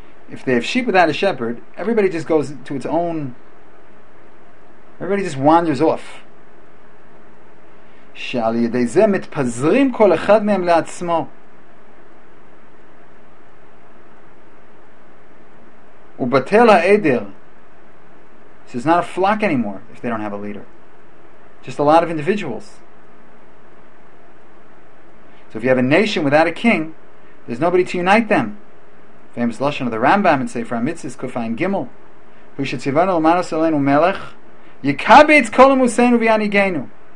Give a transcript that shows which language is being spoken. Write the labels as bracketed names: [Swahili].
[English] If they have sheep without a shepherd, everybody just goes to its own... Everybody just wanders off. [Hebrew] שעל ידי זה מתפזרים כל אחד מהם לעצמו ובטל העדר. [English] So it's not a flock anymore if they don't have a leader, just a lot of individuals. So if you have a nation without a king, there's nobody to unite them. Famous lashon of the Rambam in Sefer HaMitzvos Kufayin Gimel, who should tzivanu l'manos aleinu melech yikabetz kol amuseinu v'yanigenu.